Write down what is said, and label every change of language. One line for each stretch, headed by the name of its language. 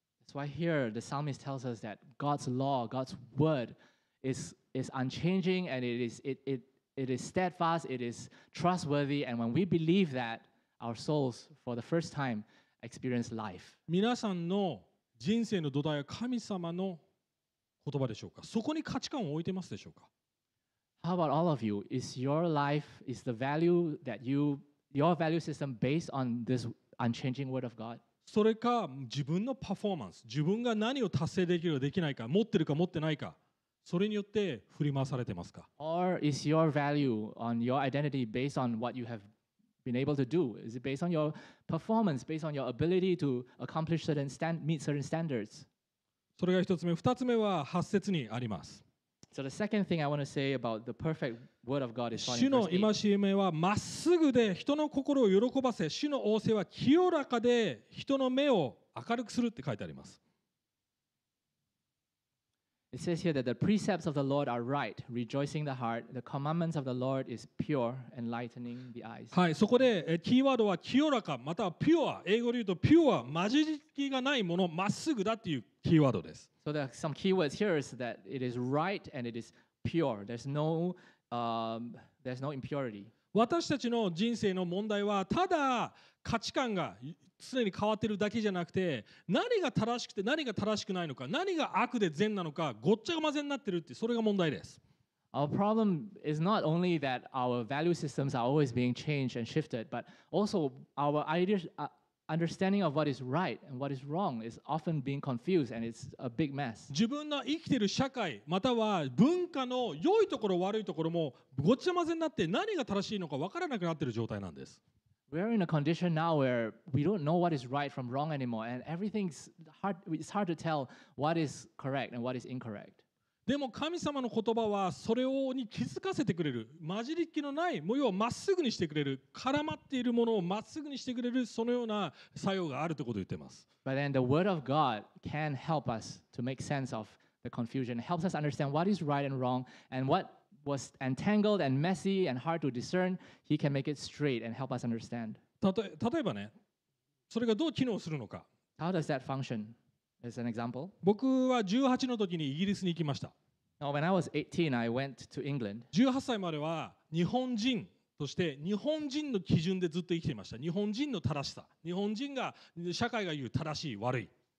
English: That's why here the psalmist tells us that God's law, God's word is unchanging and it is steadfast, it is trustworthy, and when we believe that, our souls for the first time experience life.
Japanese: 皆さんの人生の土台は神様の言葉でしょうか。そこに価値観を置いてますでしょうか。
English: How about all of you? Is your life, is the value that you, your value system based on this unchanging word of God?
Japanese: それか自分のパフォーマンス、自分が何を達成できるかできないか、持ってるか持ってないか、それによって振り回されてますか。
English: Or is your value on your identity based on what you have been able to do? Is it based on your performance, based on your ability to accomplish certain stand, meet certain standards?
Japanese: それが一つ目。二つ目は八節にあります。
English: So the second thing I want to say about the perfect word of God is
Japanese: 主の戒めはまっすぐで人の心を喜ばせ、主の仰せは清らかで人の目を明るくするって書いてあります。
English: It says here that the precepts of the Lord are right, rejoicing the heart. The commandments of the Lord is pure, enlightening the eyes.
Japanese: はい、そこでキーワードは清らか、またはピュア。英語で言うとピュア、混じりがないもの、まっすぐだっていうキーワードです。
English: So there are some keywords here is that it is right and it is pure. There's no impurity.
Japanese: 私たちの人生の問題はただ価値観が常に変わってるだけじゃなくて、何が正しくて何が正しくないのか、何が悪で善なのか、ごっちゃ混ぜになってるって、それが問題です。
English: Our problem is not only that our value systems are always being changed and shifted, but also our ideas, understanding of what is right and what is wrong is often being confused and it's a big mess.
Japanese: 自分の生きている社会または文化の良いところ悪いところもごっちゃ混ぜになって、何が正しいのか分からなくなってる状態なんです。
English: We are in a condition now where we don't know what is right from wrong anymore, and everything's hard. It's hard to tell what is correct and what is incorrect.
Japanese: でも神様の言葉はそれをに気づかせてくれる、混じりっ気のない、もう要はまっすぐにしてくれる、絡まっているものをまっすぐにしてくれる、そのような作用があるということを言ってます。
English: But then the word of God can help us to make sense of the confusion. It helps us understand what is right and wrong, and what. Was entangled and messy and hard to discern. He can make it straight and help us understand.
Japanese: 例えばね、それがどう機能するのか。
English: How does that function? As an example.
Japanese: 僕は18の時にイギリスに行きました。
English: Now, when I was 18, I went to England.
Japanese: 18歳までは日本人として日本人の基準でずっと生きていました。日本人の正しさ、日本人が社会が言う正しい悪い。